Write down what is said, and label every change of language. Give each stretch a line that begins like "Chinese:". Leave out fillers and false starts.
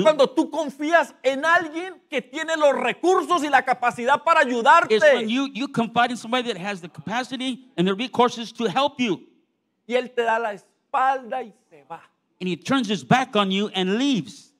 Spanish: Es cuando tú confías en alguien que tiene los recursos y la capacidad para ayudarte.
English: It's when you confide in somebody that has the capacity and the resources to help you.
Spanish: Y él te da la espalda y se va.
English: And he turns his back on you and leaves.